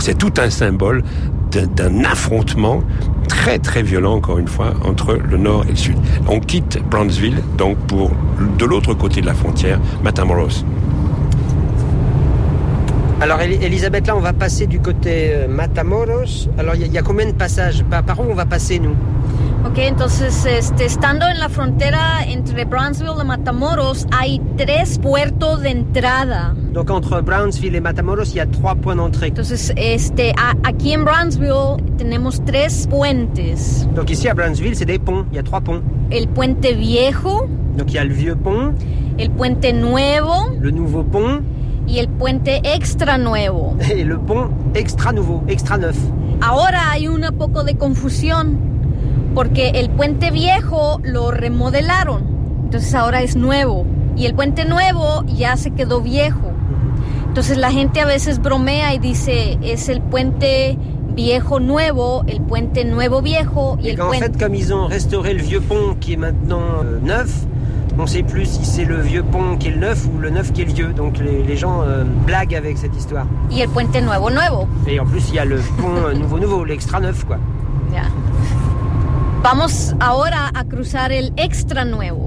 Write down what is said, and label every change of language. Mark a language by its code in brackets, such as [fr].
[fr] C'est tout un symbole d'un affrontement très, très violent, encore une fois, entre le nord et le sud. On quitte Brownsville, donc, pour de l'autre côté de la frontière, Matamoros. Alors Elisabeth, là on va passer du côté Matamoros. Alors il y a combien de passages? Par où on va passer nous? [es] Ok, entonces estando en la frontera entre Brownsville et Matamoros, hay tres puertos de entrada. [fr] Donc entre Brownsville et Matamoros, il y a trois points d'entrée. [es] Entonces aquí en Brownsville tenemos tres puentes. [fr] Donc ici à Brownsville, c'est des ponts, il y a trois ponts. [es] El puente viejo. [fr] Donc il y a le vieux pont. [es] El puente nuevo. [fr] Le nouveau pont. [es] Y el puente extra nuevo. [fr] Et le pont extra nouveau, extra neuf. [es] Ahora hay un poco de confusión. Porque el puente viejo lo remodelaron, entonces ahora es nuevo. Y el puente nuevo ya se quedó viejo. Entonces la gente a veces bromea y dice, es el puente viejo nuevo, el puente nuevo viejo. Y el puente... [fr] En fait, comme ils ont restauré le vieux pont qui est maintenant neuf, on ne sait plus si c'est le vieux pont qui est le neuf ou le neuf qui est le vieux. Donc les gens blaguent avec cette histoire. [es] Y el puente nuevo nuevo. [fr] Et en plus, il y a le pont nouveau nouveau, l'extra neuf, quoi. [es] Yeah. Vamos ahora a cruzar el extra nuevo.